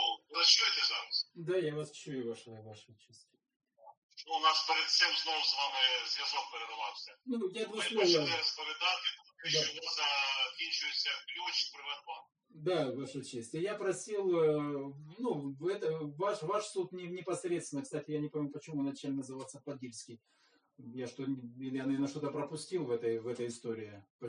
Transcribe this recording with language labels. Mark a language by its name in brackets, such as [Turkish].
[Ukrainian] Ви чуєте зараз? Так, да, я вас чую, ваша честь. Ну, у нас перед цим знову з вами зв'язок перервався. Ну, я два слова. Ми почали розповідати, що закінчується ключ Приватбанк. Да, ваша честь. [Russian] Я просил, ну, это ваш суд непосредственно, кстати, я не помню, почему начали называться Подильский. Я, наверное, что-то пропустил в этой истории.